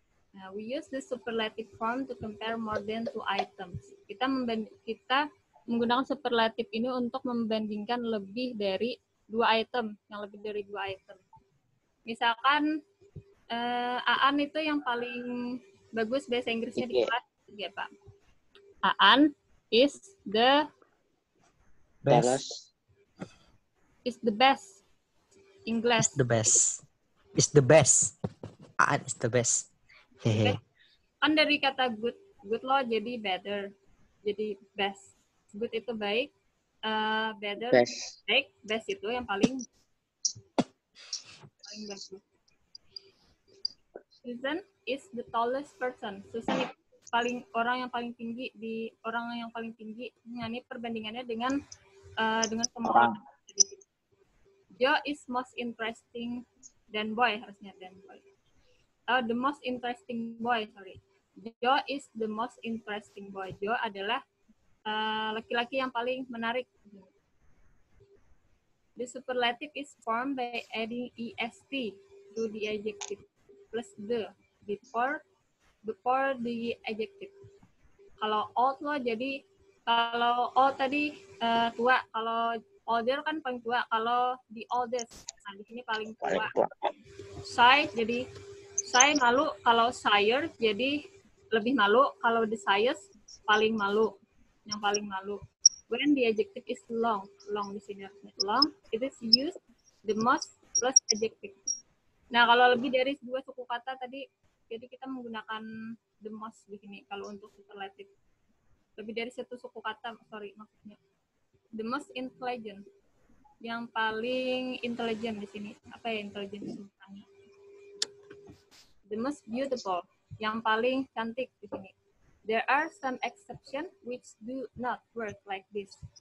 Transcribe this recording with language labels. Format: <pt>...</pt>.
<en>Nah, we use this superlative form to compare more than two items.</en> <id>Kita menggunakan superlative ini untuk membandingkan lebih dari dua item, yang lebih dari dua item. Misalkan Aan itu yang paling bagus bahasa Inggrisnya di kelas, ya Pak.</id> <en>Aan is the best. It's the best. English. It's the best. It's the best. Aan is the best. Hehe.</en> <id>Okay. Kan dari kata good, good loh jadi better. Jadi best. Good itu baik. Better.</id> <en>Best.</en> <id>Baik. Best itu yang paling bagus.</id> <en>Susan is the tallest person.</en> <id>Susan itu paling orang yang paling tinggi di orang yang paling tinggi. Nah, ini perbandingannya dengan semua.</id> <en>Joe is most interesting than boy, harusnya than boy. The most interesting boy, sorry. Joe is the most interesting boy.</en> <id>Joe adalah laki-laki yang paling menarik.</id> <en>The superlative is formed by adding est to the adjective plus the before the adjective.</en> <id>Kalau old lo jadi, kalau old tadi tua, kalau older kan paling tua, kalau the oldest, nah di sini paling tua. Shy, jadi shy malu, kalau sire jadi lebih malu, kalau the shyest paling malu, yang paling malu.</id> <en>When the adjective is long, long</en> <id>di sini</id> <en>long, it is used the most plus adjective.</en> <id>Nah kalau lebih dari dua suku kata tadi, jadi kita menggunakan the most di sini kalau untuk superlative. Lebih dari satu suku kata, sorry maksudnya.</id> <en>The most intelligent.</en> <id>Yang paling intelligent di sini. Apa ya intelligent sebutannya?</id> <en>The most beautiful.</en> <id>Yang paling cantik di sini.</id> <en>There are some exceptions which do not work like this.</en>